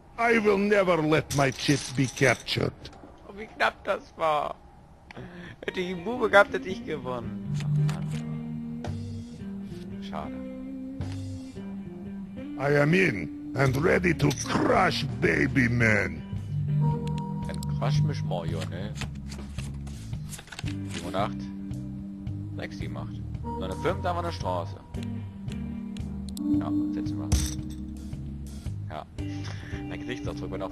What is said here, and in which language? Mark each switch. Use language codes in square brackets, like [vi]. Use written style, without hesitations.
[en] I will never let my chip be captured. [de] Oh, wie knapp das war. Hätte ich einen Bube gehabt, hätte ich gewonnen. Schade. [en] I am in and ready to crush baby man. [de] Dann crush mich mal, Junge. 7 und 8. 6 die macht. So eine 5, da haben wir eine Straße. Ja, setzen wir. Ja. Mein Gesichtsausdruck war noch.